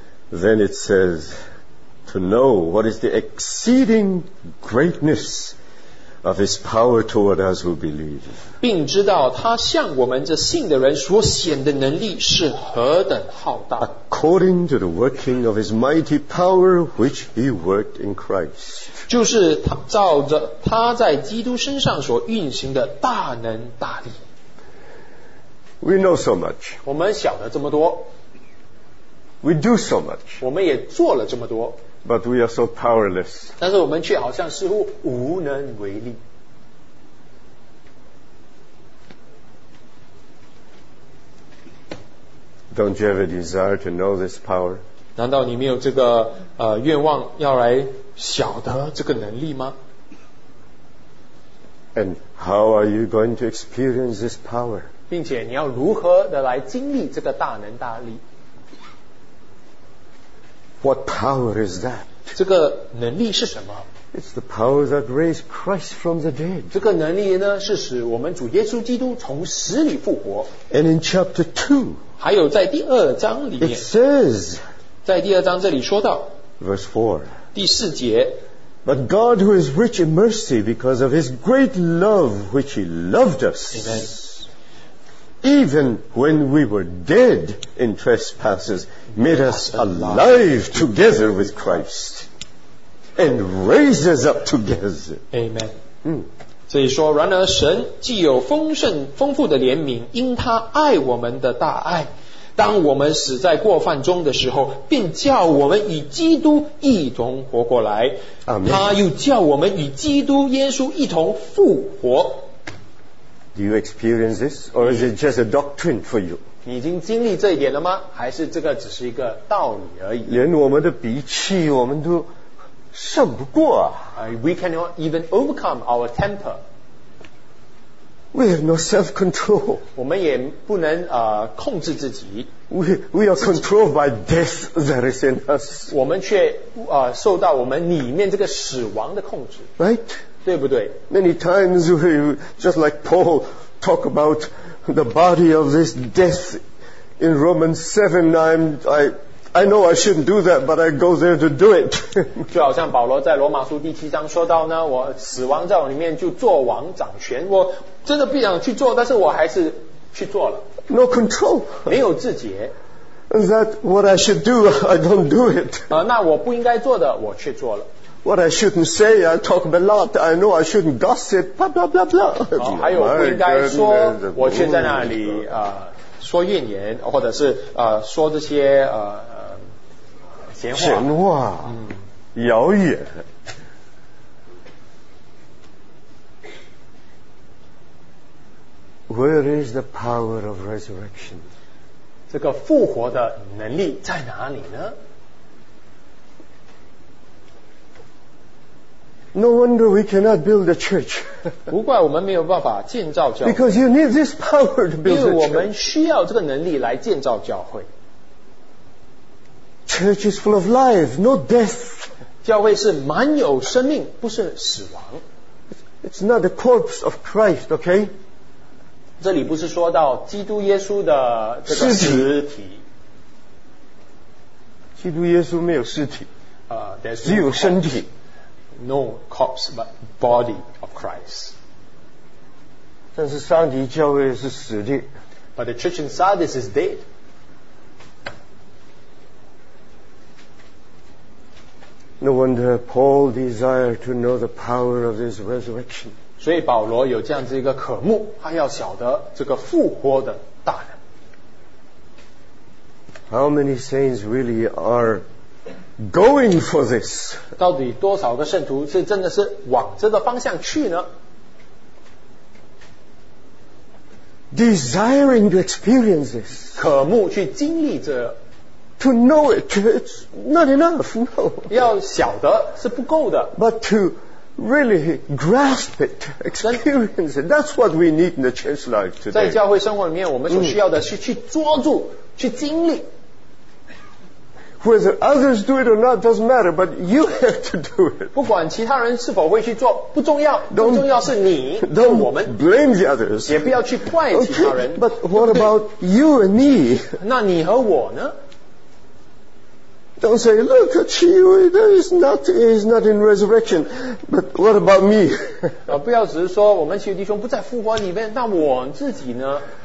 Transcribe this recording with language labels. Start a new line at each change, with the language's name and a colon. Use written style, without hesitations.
English: Then it says, to know what is the exceeding greatness of His power toward us who believe.
Chinese: 并知道他向我们这信的人所显的能力是何等浩大。
English: According to the working of His mighty power which He worked in Christ.
Chinese: 就是照着他在基督身上所运行的大能大力。
English: We know so much.
Chinese: 我们晓得这么多。
English: We do so much.
Chinese: 我们也做了这么多。
English: But we are so powerless.
Chinese: 但是我们却好像似乎无能为力。
English: Don't you have a desire to know this power?
Chinese: 难道你没有这个愿望要来晓得这个能力吗？
English: And how are you going to experience this power?
Chinese: 并且你要如何的来经历这个大能大力？
English: What power is that?
Chinese: 这个能力是什么？
English: It's the power that raised Christ from the dead.
Chinese: 这个能力呢，是使我们主耶稣基督从死里复活。
English: And in chapter 2,
Chinese: 还有在第二章里面，
English: it says,
Chinese: 在第二章这里说到，
English: verse 4,
Chinese: 第四节，
English: But God who is rich in mercy because of His great love which He loved us, Amen. Even when we were dead in trespasses, made us alive together with Christ and raised us up together. Amen.
Chinese: 所以说，然而神既有丰富的怜悯，因他爱我们的大爱，当我们死在过犯中的时候，并叫我们与基督一同活过来。
English: Amen.
Chinese: 他又叫我们与基督耶稣一同复活。
English: Do you experience this, or is it just a doctrine for you?
Chinese: 你已经经历这一点了吗？还是这个只是一个道理而已？连我们的脾气，我们都胜不过啊。
English: We cannot even overcome our temper. We have no self-control.
Chinese: 我们也不能控制自己。
English: We are controlled by death that is in us.
Chinese: 我们却受到我们里面这个死亡的控制。
English: Right.
Chinese: 对不对？
English: Many times we just like Paul talk about the body of this death in Romans 7. I know I shouldn't do that, but I go there to do it.
Chinese: 就好像保罗在罗马书第七章说到呢，我死亡在我里面就做王掌权，我真的不想去做，但是我还是去做了。
English: No control.
Chinese: 没有自节。
English: That what I should do, I don't do it.
Chinese: 那我不应该做的，我却做了。
English: What I shouldn't say, I talk a lot. I know I shouldn't gossip. Blah blah blah blah.
Chinese: 还有不应该说，我却在那里说怨言，或者是说这些闲话，闲话，谣言。
English: Where is the power of resurrection?
Chinese: 这个复活的能力在哪里呢？
English: No wonder we cannot build a church.
Chinese: 不怪我们没有办法建造教会。
English: Because you need this power to build a church.
Chinese: 因为我们需要这个能力来建造教会。
English: Church is full of life, no death.
Chinese: 教会是满有生命，不是死亡。
English: It's not the corpse of Christ, okay?
Chinese: 这里不是说到基督耶稣的这个尸体，基督耶稣没有尸体，只有身体。
English: No corpse, but body of Christ.
Chinese: 但是上帝教会是死的。
English: But the church in Sardis is dead. 那 wonder Paul desired to know the power of this resurrection.
Chinese: 所以保罗有这样子一个渴慕，他要晓得这个复活的大能。
English: How many saints really are going for this?
Chinese: 到底多少个圣徒是真的是往这个方向去呢？
English: Desiring to experience this.
Chinese: 渴慕去经历这。
English: To know it, it's not enough. No.
Chinese: 要晓得是不够的。
English: But toReally grasp it, experience it. That's what we need in the church life today.
Chinese: 在教会生活里面，我们所需要的是去抓住，去经历。
English: Whether others do it or not doesn't matter, but you have to do it.
Chinese: 不管其他人是否会去做，不重要。
English: Don't,
Chinese: 不重要是你，是我们。
English: Don't blame the others.
Chinese: 也不要去怪其他人。
English: Okay, but what about you and me?
Chinese: 那你和我呢？
English: Don't say, look, Chiyue, is not in resurrection. But what about me?
Chinese: 不要只是说我们其余弟兄不在复活里面，那我自己呢？